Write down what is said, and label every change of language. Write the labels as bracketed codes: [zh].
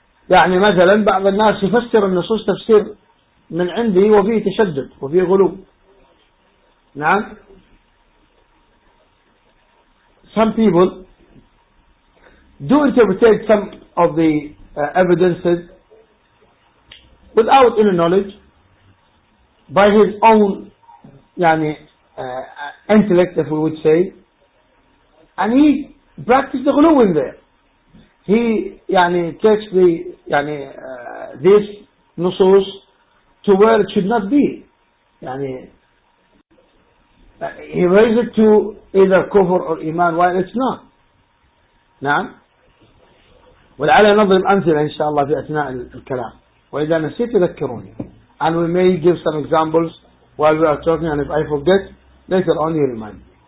[ar] يعني مثلا بعض الناس يفسر النصوص تفسير من عندي وفيه تشدد وفيه غلو. نعم. [en] Some people do interpret some of the evidences without any knowledge, by his own يعني intellect, if we would say, and he practices the glue in there. He يعني takes the يعني this nusus to where it should not be. يعني he raises it to either kufr or iman while it's not. نعم. [ar] ولعل نضرب أمثلة إن شاء الله في أثناء الكلام. وإذا نسيت تذكروني. [en] And we may give some examples while we are talking, and if I forget, later on you remind me.